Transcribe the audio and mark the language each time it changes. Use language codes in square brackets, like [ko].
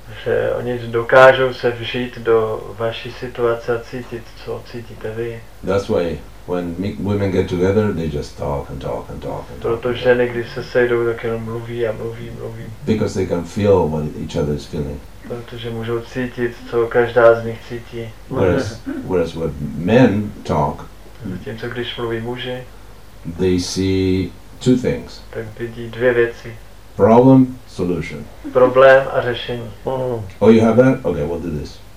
[cs] Že oni dokážou se vžít do vaší situace a cítit, co cítíte vy. [en] That's why when women get together, they just talk and talk and talk. [cs] Protože ženy, když se sejdou, tak jenom mluví a mluví, mluví. [en] Because they can feel what each other is feeling. [cs] Protože můžou cítit, co každá z nich cítí. [en] Whereas when men talk, [cs] zatímco když mluví muži, [en] they see two things. [cs] Tak vidí dvě věci. [en] Problem, solution. [cs] Problém a řešení. [en] Oh, you have that? Okay, we'll do this.